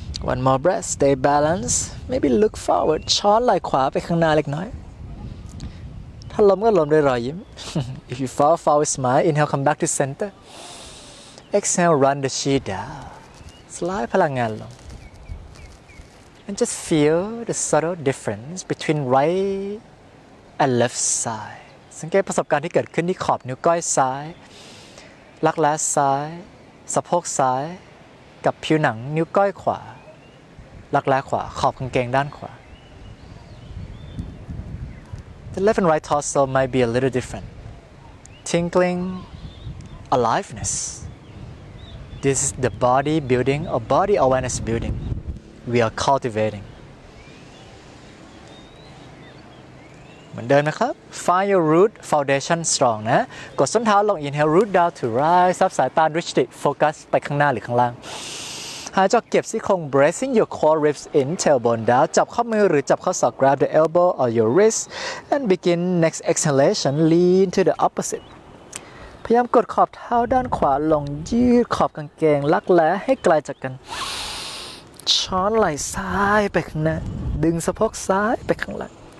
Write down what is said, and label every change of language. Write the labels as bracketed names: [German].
[English] one more breath stay balanced maybe look forward [Thai] ช้อนไหล่ขวาไปข้างหน้าเล็กน้อยถ้าล้มก็ล้มด้วยรอยยิ้ม [English] if you fall fall with smile inhale come back to center exhale run the sheet down slide [Thai] พลังงานลง [English] And just feel the subtle difference between right and left side. [Thai] สังเกตประสบการณ์ที่เกิดขึ้นที่ขอบนิ้วก้อยซ้ายลักแร้ซ้ายสะโพกซ้ายกับผิวหนังนิ้วก้อยขวาลักแร้ขวาขอบกางเกงด้านขวา [English] The left and right torso might be a little different. Tingling aliveness. This is the body building or body awareness building we are cultivating. [Thai] เหมือนเดิมนะครับ [English] Find your root foundation strong [Thai] นะกดส้นเท้าลง [English] Inhale root down to rise [Thai] ซับสายตา Reach it Focus ไปข้างหน้าหรือข้างล่างหายใจเก็บซี่โครง [English] Bracing your core ribs in tailbone down [Thai] จับข้อมือหรือจับข้อศอก [English] Grab the elbow or your wrist And begin next exhalation Lean to the opposite [Thai] พยายามกดขอบเท้าด้านขวาลงยืดขอบกางเกงลักแร้ให้ไกลจากกันช้อนไหล่ซ้ายไปข้างหน้าดึงสะโพกซ้ายไปข้างหลัง